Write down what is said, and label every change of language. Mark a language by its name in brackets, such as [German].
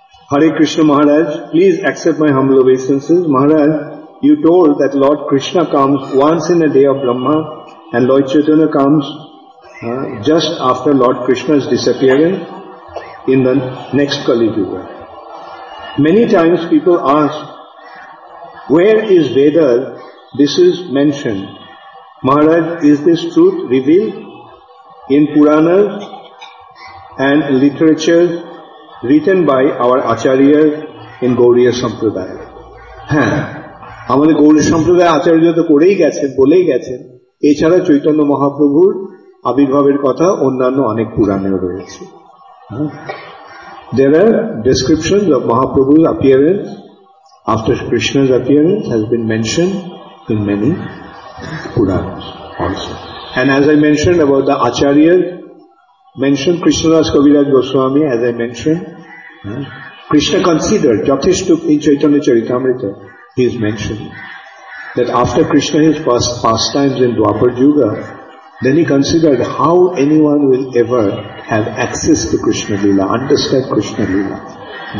[English] Hare Krishna Maharaj, please accept my humble obeisances. Maharaj, you told that lord Krishna comes once in a day of Brahma and lord Chaitanya comes just after lord Krishna's disappearance in the next Kali Yuga. Many times people ask, where is Veda this is mentioned? Maharaj, is this truth revealed in Puranas and literature written by our Acharyas in Gauriya Sampradaya? [Bangla] হ্যাঁ, আমাদের গৌড়ীয় সম্প্রদায় আচার্য তো করেই গেছেন, বলেই গেছেন, এছাড়া চৈতন্য মহাপ্রভুর আবির্ভাবের কথা অন্যান্য অনেক পুরাণেও রয়েছে। [English] There are descriptions of Mahaprabhu's appearance after Krishna's appearance has been mentioned in many Puranas also. And as I mentioned about the Acharyas, mentioned Krishnadas Kaviraj Goswami, as I mentioned, Krishna considered, Jathishtu in Chaitanya Charitamrita, he is mentioned that after Krishna his pastimes in Dwapar Yuga, then he considered how anyone will ever have access to Krishna Leela, understand Krishna Leela.